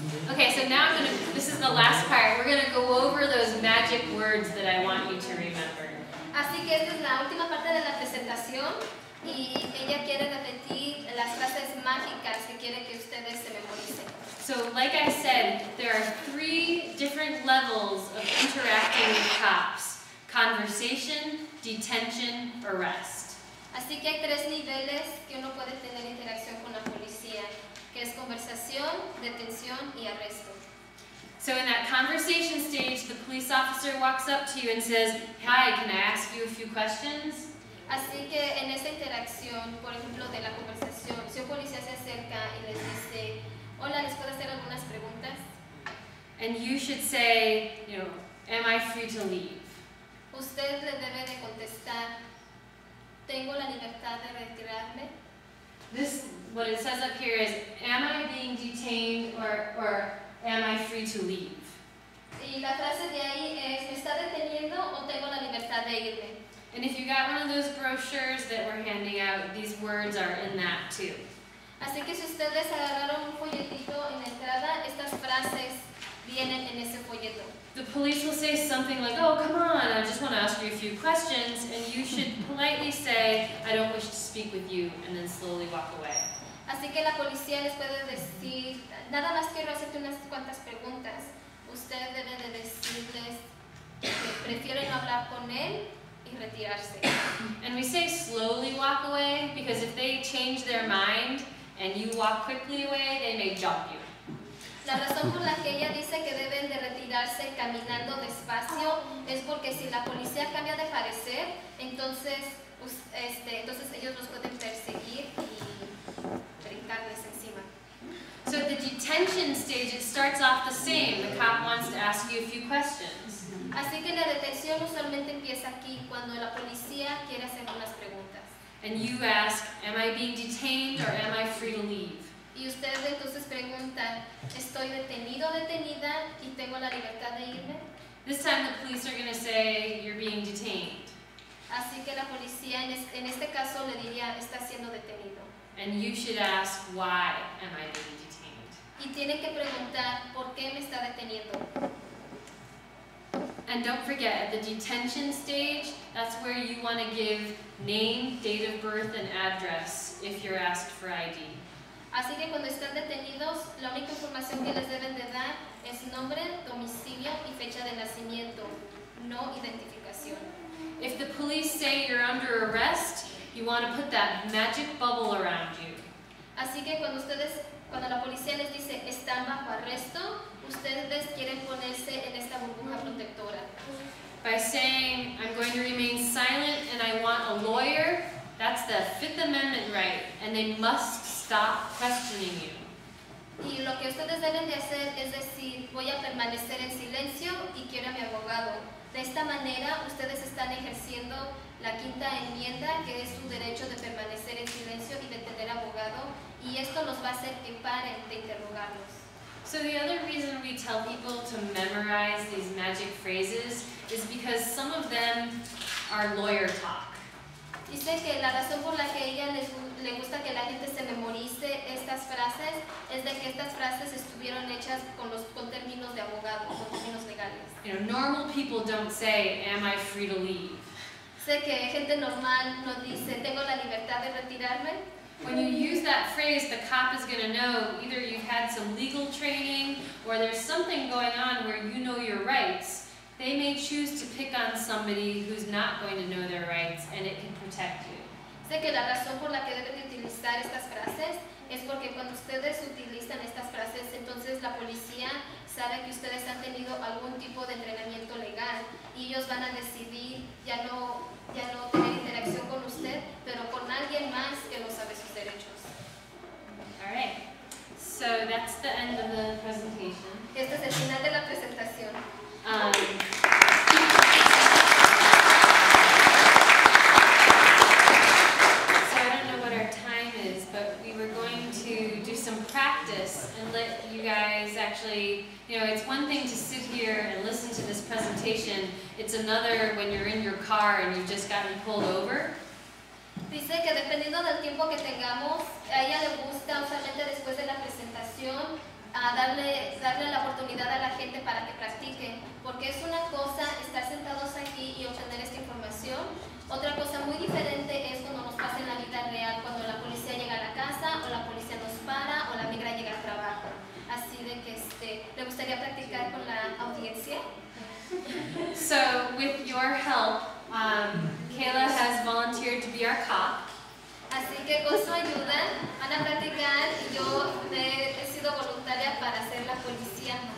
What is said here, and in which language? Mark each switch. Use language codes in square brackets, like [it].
[en] Okay, so now I'm gonna, this is the last part. We're gonna go over those magic words that I want you to remember. [es] Así que esta es la última parte de la presentación y ella quiere repetir las frases mágicas que quiere que ustedes se memoricen. [en] So, like I said, there are three different levels of interacting with cops: conversation, detention, arrest. [es] Así que hay tres niveles que uno puede tener interacción con la policía, que es conversación, detención y arresto. [en] So in that conversation stage, the police officer walks up to you and says, "Hi, can I ask you a few questions?" [es] Así que en esa interacción, por ejemplo, de la conversación, si un policía se acerca y les dice, "Hola, ¿les puedo hacer algunas preguntas?" [en] And you should say, you know, "Am I free to leave?" [es] Usted le debe de contestar, "¿Tengo la libertad de retirarme?" [en] This, what it says up here is, "Am I being detained or am I free to leave?" [es] Y la frase de ahí es, "¿Me está deteniendo o tengo la libertad de irme?" [en] And if you got one of those brochures that we're handing out, these words are in that too. [es] Así que si ustedes agarraron un folletito en la entrada, estas frases vienen en ese folleto. [en] The police will say something like, "Oh, come on, I just want to ask you a few questions," and you should politely say, "I don't wish to speak with you," and then slowly walk away. [es] Así que la policía les puede decir, "Nada más quiero hacerte unas cuantas preguntas." Usted debe de decirles que prefieren no hablar con él. [en] And we say slowly walk away because if they change their mind and you walk quickly away, they may jump you. [es] La razón por la que ella dice que deben de retirarse caminando despacio es porque si la policía cambia de parecer, entonces, entonces ellos los pueden perseguir y brincarles encima. [en] So at the detention stage, it starts off the same. The cop wants to ask you a few questions. [es] Así que la detención usualmente empieza aquí cuando la policía quiere hacer unas preguntas. [en] And you ask, "Am I being detained or am I free to leave?" [es] Y ustedes entonces preguntan, "¿Estoy detenido o detenida y tengo la libertad de irme?" [en] This time the police are going to say, "You're being detained." [es] Así que la policía en este caso le diría, "Está siendo detenido." [en] And you should ask, "Why am I being detained?" [es] Y tiene que preguntar, "¿Por qué me está deteniendo?" [en] And don't forget, at the detention stage, that's where you want to give name, date of birth, and address if you're asked for ID. [es] Así que cuando están detenidos, la única información que les deben de dar es nombre, domicilio, y fecha de nacimiento, no identificación. [en] If the police say you're under arrest, you want to put that magic bubble around you. [es] Así que cuando ustedes, cuando la policía les dice, están bajo arresto, ustedes quieren ponerse en esta burbuja protectora. [en] By saying, "I'm going to remain silent and I want a lawyer," that's the Fifth Amendment right, and they must stop questioning you. [es] Y lo que ustedes deben de hacer es decir, "Voy a permanecer en silencio y quiero a mi abogado." De esta manera, ustedes están ejerciendo la quinta enmienda, que es su derecho de permanecer en silencio y de tener abogado, y esto los va a hacer que paren de interrogarlos. [en] So the other reason we tell people to memorize these magic phrases is because some of them are lawyer talk. [es] Dice que la razón por la que ella le gusta que la gente se memorice estas frases es de que estas frases estuvieron hechas con términos de abogado, con términos legales. [en] You know, normal people don't say, "Am I free to leave?" [es] Sé que gente normal no dice, "Tengo la libertad de retirarme." [en] When you use that phrase, the cop is going to know either you've had some legal training or there's something going on where you know your rights. They may choose to pick on somebody who's not going to know their rights, and it can protect you. [es] Sé que la razón por la que deben de utilizar estas frases es porque cuando ustedes utilizan estas frases, entonces la policía sabe que ustedes han tenido algún tipo de entrenamiento legal y ellos van a decidir ya no tener interacción con usted, pero con alguien más que no sabe sus derechos. [en] All right. So that's the end of the presentation. [es] Este es el final de la presentación. [en] So I don't know what our time is, but we were going to do some practice and let you guys actually, you know, it's one thing to sit here and listen to this presentation. It's another when you're in your car and you've just gotten pulled over. [es] Dice que dependiendo del tiempo que tengamos, a ella le gusta usualmente después de la presentación a darle la oportunidad a la gente para que practique, porque es una cosa estar sentados aquí y obtener esta información. Otra cosa muy diferente es cuando nos pasa en la vida real, cuando la policía llega a la casa, o la policía nos para, o la migra llega al trabajo. Así de que le gustaría practicar con la audiencia. [en] So, with your help, Kayla has volunteered to be our cop. [es] Así que con su ayuda van a practicar y yo he sido voluntaria para ser la policía.